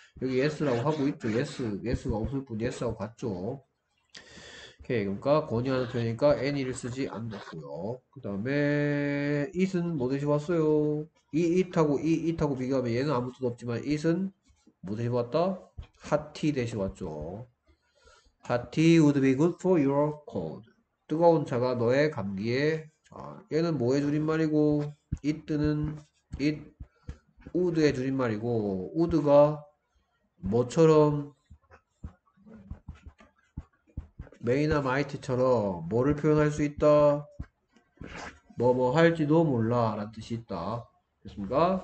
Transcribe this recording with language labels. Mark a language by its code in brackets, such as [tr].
[ko] 여기 yes라고 하고 있죠. yes가 없을 뿐 yes하고 같죠. 오케이, 그러니까 권유하는 표현이니까 any를 쓰지 않았고요. 그 다음에 it은 뭐 대신 왔어요? it하고 비교하면 얘는 아무 뜻 없지만 it은 뭐 대신 왔다? hot tea 대신 왔죠. [en] hot tea would be good for your cold. [ko] 뜨거운 차가 너의 감기에. 자, 얘는 뭐 해주린 말이고 it는 it 우드의 줄임말이고, 우드가 뭐처럼 메이나 마이트처럼 뭐를 표현할 수 있다, 뭐뭐 할지도 몰라 라는 뜻이 있다. 그렇습니까?